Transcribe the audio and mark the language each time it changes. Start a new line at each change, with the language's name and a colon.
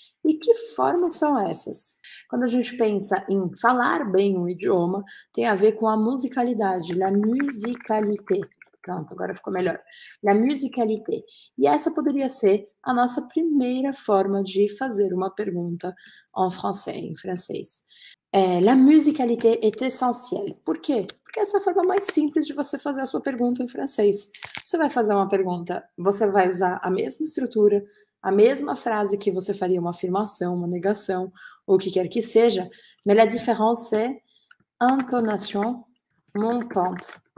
Portuguese: E que formas são essas? Quando a gente pensa em falar bem um idioma, tem a ver com a musicalidade, la musicalité. Pronto, agora ficou melhor. La musicalité. E essa poderia ser a nossa primeira forma de fazer uma pergunta
French: en français,
Portuguese: em francês.
French: La musicalité est essentielle.
Portuguese: Por quê? Porque essa é a forma mais simples de você fazer a sua pergunta em francês. Você vai fazer uma pergunta, você vai usar a mesma estrutura, a mesma frase que você faria uma afirmação, uma negação, ou o que quer que seja,
French: mais la différence est intonation montante.